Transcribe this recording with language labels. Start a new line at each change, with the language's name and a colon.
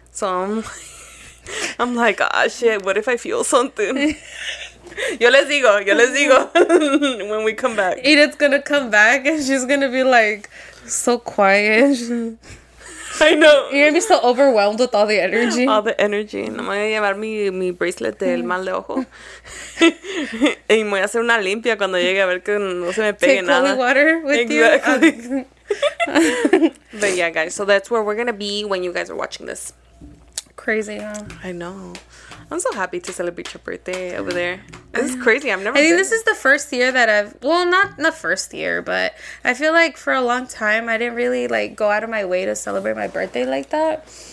English: So I'm like, ah, shit, what if I feel something?
Spanish: Yo les digo.
English: When we come back. Edith's going to come back and she's going to be like, so quiet. I know. You're going to be so overwhelmed with all the energy. All the energy.
Spanish: No me voy a llevar mi bracelet del mal de ojo. Y voy a hacer una limpia cuando llegue a ver que no se me pegue nada.
English: Take holy water with you. Exactly. But yeah, guys. So that's where we're going to be when you guys are watching this. Crazy, huh? I know. I'm so happy to celebrate your birthday over there. This is crazy. This is the first year that I've... Well, not the first year, but I feel like for a long time, I didn't really, like, go out of my way to celebrate my birthday like that.